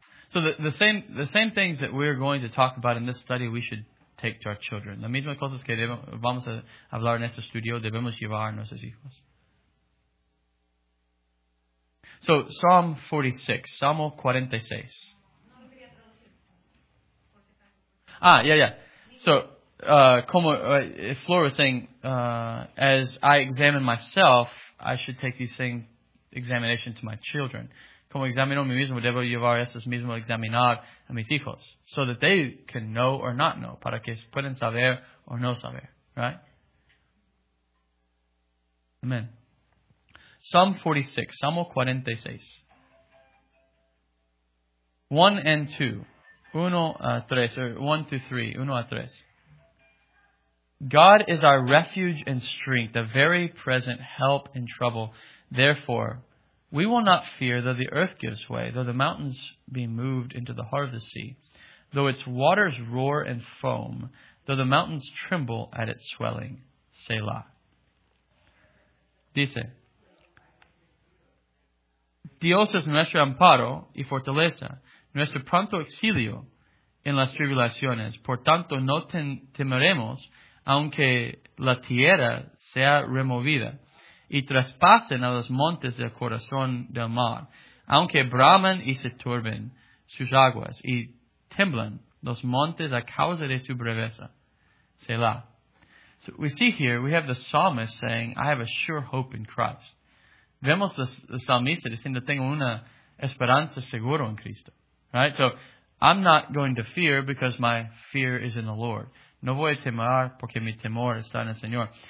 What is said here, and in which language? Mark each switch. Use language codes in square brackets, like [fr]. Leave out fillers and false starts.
[en] So the same things that we're going to talk about in this study, we should take to our children. [es] La misma cosa es que vamos a hablar en este estudio, debemos llevar a nuestros hijos. [en] So Psalm 46, Salmo 46. Ah, yeah, yeah. So, Flora was saying, as I examine myself, I should take these same examination to my children. [es] Como examino a mí mismo, debo llevar esos mismos examinar a mis hijos. [en] So that they can know or not know. [es] Para que puedan saber o no saber. [en] Right? Amen. Psalm 46. Salmo 46. 1 and 2. 1 a 3. Or 1 to 3. 1 a 3. God is our refuge and strength, a very present help in trouble. Therefore, we will not fear though the earth gives way, though the mountains be moved into the heart of the sea, though its waters roar and foam, though the mountains tremble at its swelling. Selah. [es] dice, Dios es nuestro amparo y fortaleza, nuestro pronto auxilio en las tribulaciones. Por tanto, no temeremos, aunque la tierra sea removida y traspasen a los montes del corazón del mar, aunque braman y se turben sus aguas y temblan los montes a causa de su braveza. Selah. [en] So we see here, we have the psalmist saying, I have a sure hope in Christ. [es] Vemos el salmista diciendo, tengo una esperanza segura en Cristo. [en] Right? So, I'm not going to fear because my fear is in the Lord. [es] No voy a temer porque mi temor está en el Señor.